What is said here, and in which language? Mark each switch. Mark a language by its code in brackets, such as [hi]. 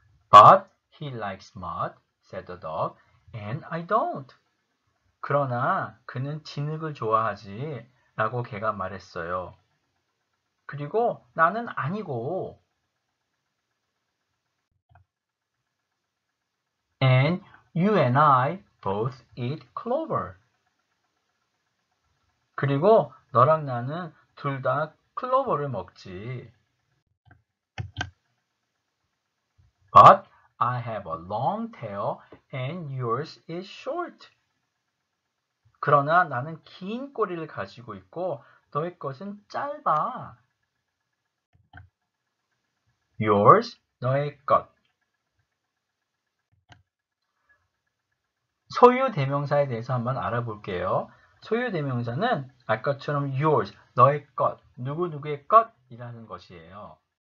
[en] But he likes mud, said the dog, and I don't. [ko] 그러나 그는 진흙을 좋아하지, 라고 개가 말했어요. 그리고 나는 아니고. [en] And you and I both eat clover. [ko] 그리고 너랑 나는 둘다 클로버를 먹지. [en] But I have a long tail and yours is short. [ko] 그러나 나는 긴 꼬리를 가지고 있고 너의 것은 짧아. [en] Yours, [ko] 너의 것. 소유 대명사에 대해서 한번 알아볼게요. 소유 대명사는 아까처럼 yours, 너의 것, 누구누구의 것이라는 것이에요.